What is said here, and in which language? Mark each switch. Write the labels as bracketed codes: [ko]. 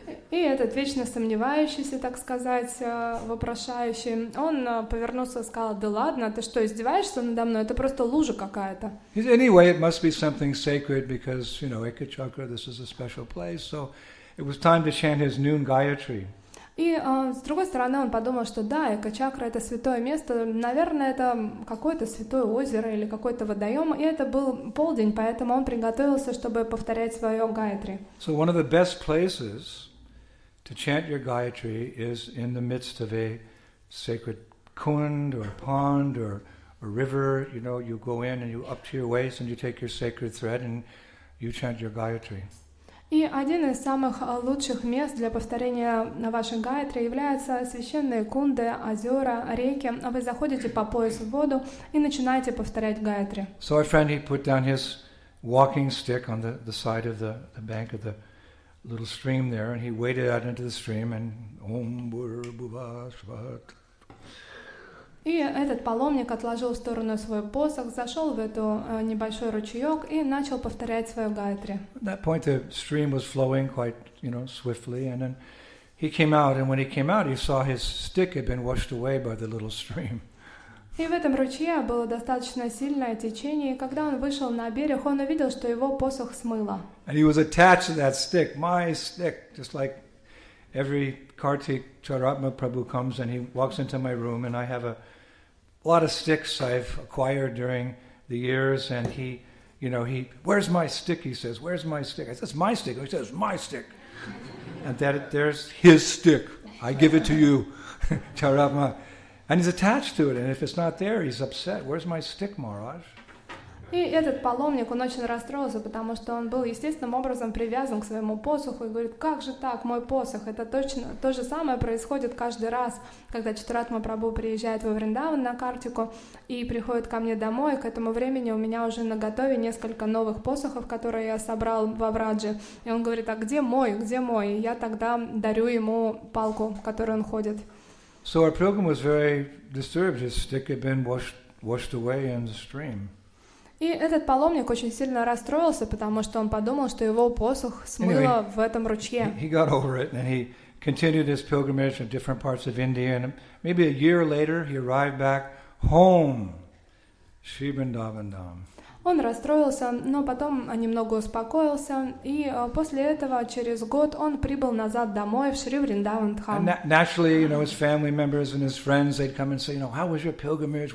[ru] И этот вечно сомневающийся, так сказать, вопрошающий, он повернулся и сказал: "Да ладно, ты что, издеваешься надо мной? Это просто лужа какая-то." [en] He said, "Anyway, it must be something sacred because, you know, Ekachakra, this is a special place. So it was time to chant his noon Gayatri." [ru] И с другой стороны, он подумал, что да, Экачакра — это святое место, наверное, это какое-то святое озеро или какой-то водоем, и это был полдень, поэтому он приготовился, чтобы повторять свое гайатри. [en] So one of the best places to chant your gayatri is in the midst of a sacred kund or pond or a river. You know, you go in and you up to your waist and you take your sacred thread and you chant your gayatri. [ru] И один из самых лучших мест для повторения на вашей гаятре являются священные кунды, озера, реки. Вы заходите по пояс в воду и начинаете повторять гаятри. [en] So our friend, he put down his walking stick on the side of the bank of the little stream there, and he waded out into the stream, and [sa] Om Bhur Bhuva Svat. [ru] И этот паломник отложил в сторону свой посох, зашел в эту небольшой ручеек и начал повторять свою гаятри. [en] At that point the stream was flowing quite, you know, swiftly, and then he came out, and when he came out, he saw his stick had been washed away by the little stream. [ru] И в этом ручье было достаточно сильное течение, и когда он вышел на берег, он увидел, что его посох смыло. [en] And he was attached to that stick, my stick, just like every Kartik Charatma Prabhu comes and he walks into my room and I have a lot of sticks I've acquired during the years and he, you know, he, "Where's my stick?" he says, "Where's my stick?" I says, "My stick." He says, "My stick." And there's his stick. I give it to you, Charatma. And he's attached to it, and if it's not there, he's upset. "Where's my stick, Maharaj?" [ru] И этот паломник, он очень расстроился, потому что он был естественным образом привязан к своему посоху и говорит, как же так, мой посох, это точно то же самое происходит каждый раз, когда Чатуратма Прабху приезжает во Вриндаван на Картику и приходит ко мне домой, к этому времени у меня уже наготове несколько новых посохов, которые я собрал во Врадже, и он говорит, а где мой, где мой, и я тогда дарю ему палку, в которой он ходит. [en] So our pilgrim was very disturbed, his stick had been washed away in the stream. [ru] И этот паломник очень сильно расстроился, потому что он подумал, что его посох смыло [en] anyway, [ru] в этом ручье. [en] He got over it, and he continued his pilgrimage in different parts of India, and maybe a year later he arrived back home, Shri Vrindavan Dham. [ru] Он расстроился, но потом немного успокоился, и после этого, через год, он прибыл назад домой, в Шри Вриндаван Дхам. [en] Naturally, you know, his family members and his friends, they'd come and say, you know, "How was your pilgrimage?